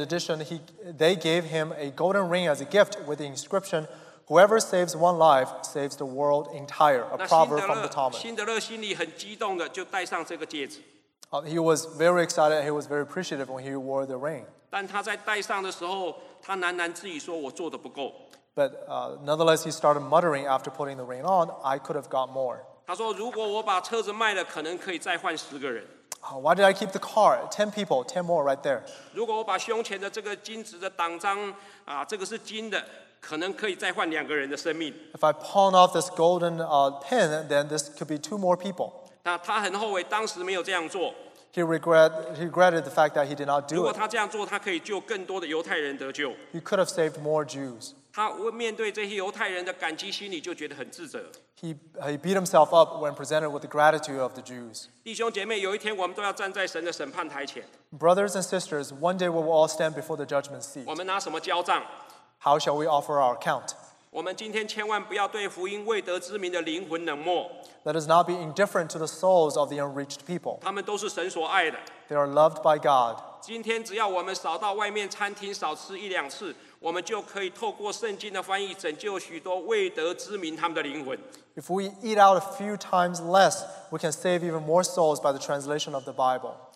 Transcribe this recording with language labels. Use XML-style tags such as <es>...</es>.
<en>addition, they gave him a golden ring as a gift with the inscription, "Whoever saves one life saves the world entire." A proverb from the Talmud.</en> <zh>辛德勒心里很激动的就戴上这个戒指。</zh> <en>He was very excited. He was very appreciative when he wore the ring.</en> <zh>但他在戴上的时候，他喃喃自语说：“我做的不够。”</zh> <en>But nonetheless, he started muttering after putting the ring on, "I could have got more."</en> <zh>他说：“如果我把车子卖了，可能可以再换10个人。”</zh> <en>Why did I keep the car? 10 people, 10 more right there.</en> <zh>如果我把胸前的这个金子的党章，这个是金的。</zh> <en>If I pawn off this golden pen, then this could be two more people. He regretted the fact that he did not do it.</en> <zh>如果他这样做, 他可以救更多的犹太人得救。</zh> <en>He could have saved more Jews.</en> <zh>他面对这些犹太人的感激心里就觉得很自责。</zh> <en>He beat himself up when presented with the gratitude of the Jews.</en> <zh>弟兄姐妹,有一天我们都要站在神的审判台前。</zh> <en>Brothers and sisters, one day we will all stand before the judgment seat.</en> <zh>我们拿什么交账?</zh> <en>How shall we offer our account?</en> <zh>我们今天千万不要对福音未得之名的灵魂冷漠。</zh> <en>Let us not be indifferent to the souls of the unreached people.</en> <zh>他们都是神所爱的。</zh> <en>They are loved by God.</en> <zh>今天只要我们少到外面餐厅少吃一两次, 我们就可以透过圣经的翻译拯救许多未得之名他们的灵魂。</zh> <en>If we eat out a few times less, we can save even more souls by the translation of the Bible.</en>